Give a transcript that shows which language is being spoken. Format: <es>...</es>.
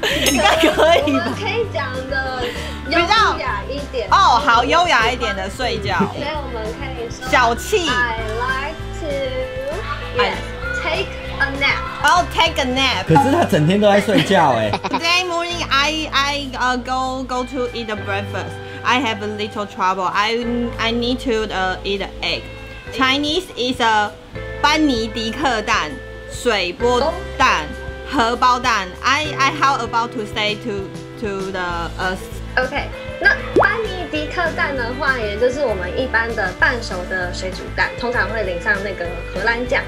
<zh>应该可以吧？可以讲的。优雅一点哦，好，优雅一点的睡觉。所以我们可以说小气。</zh> <en>I like to yes, take a nap. Oh, take a nap.</en> <zh>可是他整天都在睡觉哎。</zh> <en>Today morning, I go to eat the breakfast. I have a little trouble. I need to eat an egg. Chinese is a</en> <zh>班尼迪克蛋，水波蛋，荷包蛋。</zh> <en>I how about to say to the us?</en> <zh>OK， 那班尼迪克蛋的话，也就是我们一般的半熟的水煮蛋，通常会淋上那个荷兰酱。</zh>